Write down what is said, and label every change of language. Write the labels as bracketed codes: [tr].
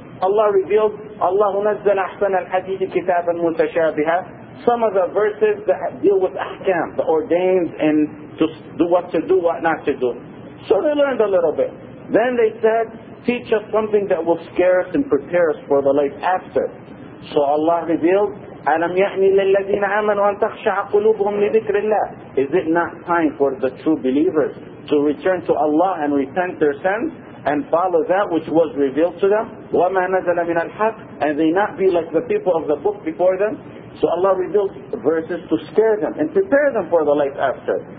[en] Allah revealed, [ar] Allahu nazzala ahsan al-hadith kitaban mutashabiha. [en] Some of the verses that deal with ahkam, the ordained, and to do what to do, what not to do. So they learned a little bit. Then they said, teach us something that will scare us and prepare us for the life after. So Allah revealed, [ar] أَلَمْ يَحْنِ لِلَّذِينَ آمَنُوا أَن تَخْشَعَ قُلُوبُهُمْ لِذِكْرِ اللَّهِ. [en] Is it not time for the true believers to return to Allah and repent their sins and follow that which was revealed to them, [ar] وَمَا نَزَلَ مِنَ الْحَقِّ, [en] and they not be like the people of the book before them. So Allah revealed verses to scare them and prepare them for the life after.